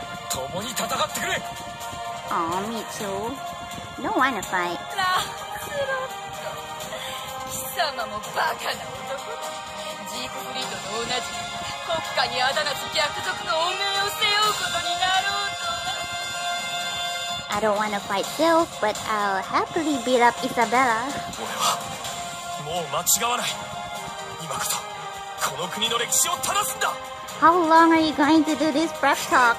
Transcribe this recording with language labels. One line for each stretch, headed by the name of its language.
Japanese: 共に戦ってくれ。
English: あー、me too. No one to fight.
Japanese: ランスロット、貴様もバカな男だ。ジークフリードと同じ、国家にあだ名つき悪徳の汚名を背負うことになろうとは。
English: I don't want to fight Sylph, but I'll happily beat up Isabella.
Japanese: 俺はもう間違わない。今こそこの国の歴史を正すんだ。
English: How long are you going to do this prep talk?